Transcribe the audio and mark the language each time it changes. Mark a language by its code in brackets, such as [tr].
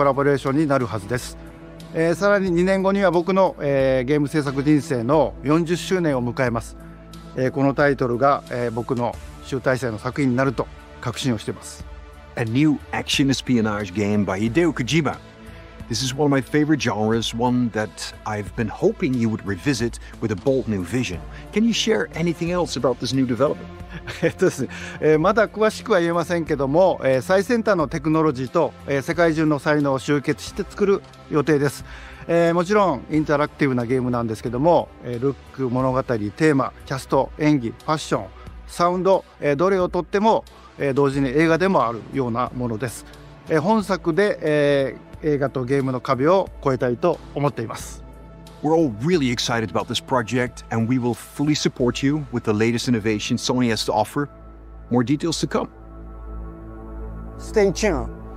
[ja] はい、全く新しいオリジナルのIPになります。新世代のアクションエスピオナージゲームです。準備を始めてますけども、デストランディング2の後に本格的に小島プロダクションで制作にかかります。ソニーさんとはほぼ30年にわたりエスピオナージものを一緒に育ててきたという強い経験もあります。またソニーさんはゲームだけではなく音楽も映画もされています。間違いなく強力なコラボレーションになるはずです。さらに2年後には僕の、ゲーム制作人生の40周年を迎えます、このタイトルが、僕の集大成の作品になると確信をしています。 [en] A new action espionage game by Hideo Kojima. This is one of my favorite genres, one that I've been hoping you would revisit with a bold new vision. Can you share anything else about this new development? [ja] まだ詳しくは言えませんけども、最先端のテクノロジーと、世界中の才能を集結して作る予定です、もちろんインタラクティブなゲームなんですけども、ルック、物語、テーマ、キャスト、演技、ファッション、サウンド、どれをとっても、同時に映画でもあるようなものです、本作で、映画とゲームの壁を越えたいと思っています。 [en] We're all really excited about this project, and we will fully support you with the latest innovation Sony has to offer. More details to come. Stay tuned.